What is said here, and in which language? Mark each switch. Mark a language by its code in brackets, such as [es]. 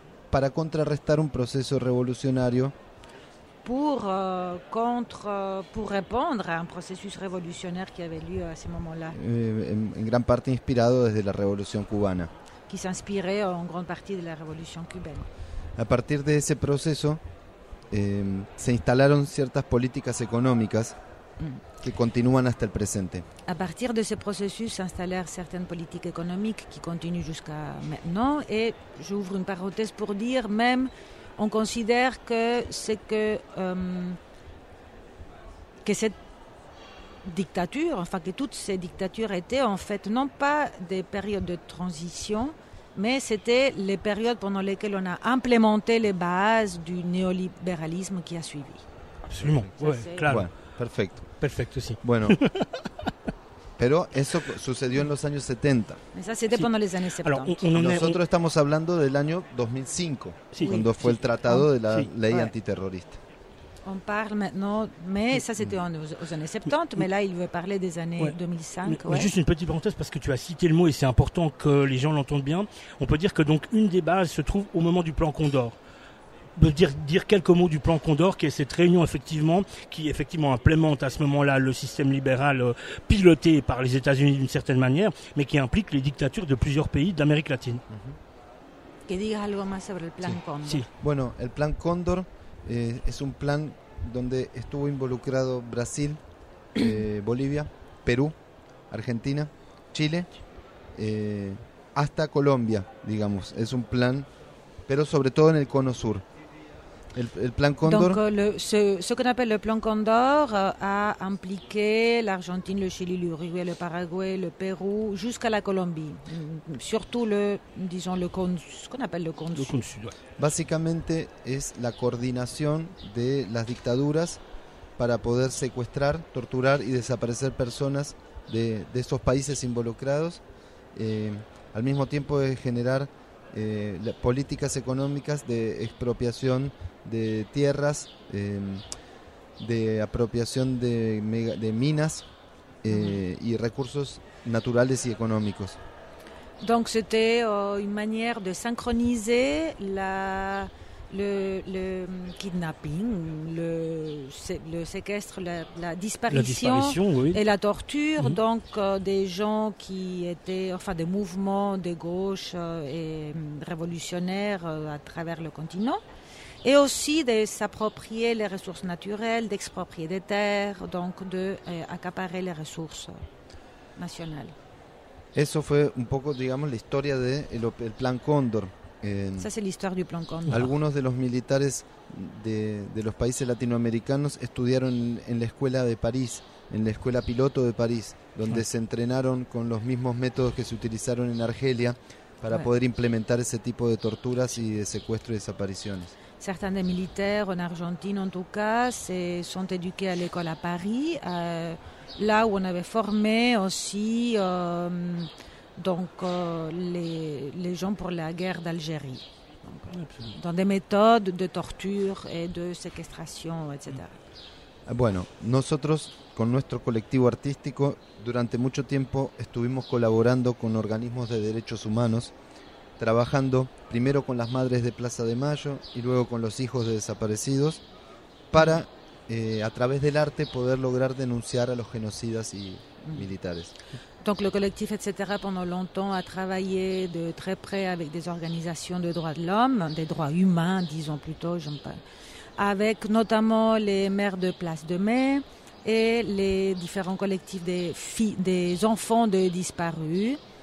[es] Para contrarrestar un proceso revolucionario. [fr] Pour répondre à un processus révolutionnaire qui avait lieu à ce moment-là. En grande partie inspiré [es] desde [fr] la Révolution [es] cubana. [fr] Qui s'inspirait en grande partie de la Révolution cubaine. À partir de ce processus, [es] se installaron ciertas políticas económicas que continúan hasta el presente. [fr] À partir de ce processus, s'installèrent certaines politiques économiques qui continuent jusqu'à maintenant. Et j'ouvre une parenthèse pour dire même. On considère que c'est que cette dictature, enfin que toutes ces dictatures étaient en fait non pas des périodes de transition, mais c'était les périodes pendant lesquelles on a implémenté les bases du néolibéralisme qui a suivi. Absolument, ouais, [es] claro. Bueno, perfecto. Perfecto, sí. Bueno. Pero eso sucedió en los años 70. Eso sucedió [fr] pendant les années 70. Alors, [es] nosotros estamos hablando del año 2005, sí, cuando fue el tratado de la ley antiterrorista. [fr] On parle maintenant, mais ça c'était aux années 70, mais là il veut parler des années 2005. Mais juste une petite parenthèse, parce que tu as cité le mot et c'est important que les gens l'entendent bien. On peut dire que donc une des bases se trouve au moment du plan Condor. Dire quelques mots du plan Condor, qui est cette réunion effectivement, qui effectivement implémente à ce moment-là le système libéral piloté par les États-Unis d'une certaine manière, mais qui implique les dictatures de plusieurs pays d'Amérique latine. [es] Que digas algo más sobre el plan Condor. Sí. Bueno, el plan Condor es un plan donde estuvo involucrado Brasil, Bolivia, Perú, Argentina, Chile, hasta Colombia, digamos. Es un plan, pero sobre todo en el Cono Sur. El plan Condor. [fr] Donc, ce qu'on appelle le plan Condor a impliqué l'Argentine, le Chili, l'Uruguay, le Paraguay, le Pérou, jusqu'à la Colombie. Surtout le Cono Sud. [es] Básicamente, es la coordinación de las dictaduras para poder secuestrar, torturar y desaparecer personas de estos países involucrados, al mismo tiempo de generar políticas económicas de expropiación de tierras, de apropiación de minas y recursos naturales y económicos. [fr] Donc c'était une manière de synchroniser le kidnapping, le séquestre, la disparition, oui. Et la torture, mm-hmm. Donc des gens qui étaient, enfin des mouvements de gauche et révolutionnaires à travers le continent. Et aussi de s'approprier les ressources naturelles, d'exproprier des terres, donc d'accaparer les ressources nationales. [es] Eso fue un poco, digamos, la historia del plan Cóndor. [fr] Ça, c'est l'histoire du plan Cóndor. [es] Algunos de los militares de los países latinoamericanos estudiaron en la escuela de París, en la escuela piloto de París, donde se entrenaron con los mismos métodos que se utilizaron en Argelia para poder implementar ese tipo de torturas y de secuestros y desapariciones. [fr] Certains des militaires en Argentine, en tout cas, sont éduqués à l'école à Paris, là où on avait formé aussi les gens pour la guerre d'Algérie, donc, dans des méthodes de torture et de séquestration, etc. [es] Bueno, nosotros con nuestro colectivo artístico durante mucho tiempo estuvimos colaborando con organismos de derechos humanos. Trabajando primero con las madres de Plaza de Mayo y luego con los hijos de desaparecidos para, a través del arte, poder lograr denunciar a los genocidas y militares. [fr] Donc le collectif etc. pendant longtemps a travaillé de très près avec des organisations de droits de l'homme, des droits humains disons plutôt, j'en parle, avec notamment les maires de Place de Mai et les différents collectifs des enfants de disparus.